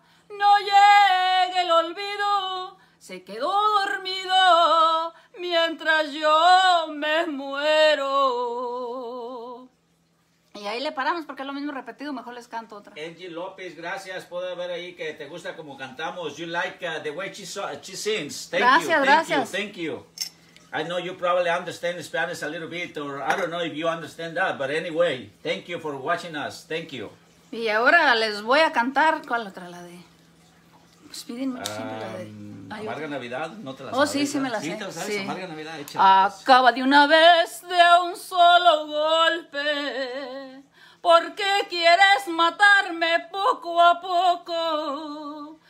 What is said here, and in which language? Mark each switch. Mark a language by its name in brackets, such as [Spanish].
[Spanish] No llega el olvido, se quedó dormido mientras yo me muero. Y ahí le paramos porque es lo mismo repetido, mejor les canto otra. Angie López, gracias. Puedo ver ahí que te gusta como cantamos. [English] You like the way she sings. Thank [Spanish] gracias, [English] you. [Spanish] Gracias. [English] Thank you. I know you probably understand Spanish a little bit, or I don't know if you understand that, but anyway, thank you for watching us. Thank you. [Spanish] Y ahora les voy a cantar, ¿cuál otra? La de... Pues piden mucho siempre la de... Ay, Amarga Navidad, no te la sabes. Oh, sí, sí me la sé. Sí, te la sabes, sí. Amarga Navidad, échale. Acaba de una vez de un solo golpe. ¿Por qué quieres matarme poco a poco?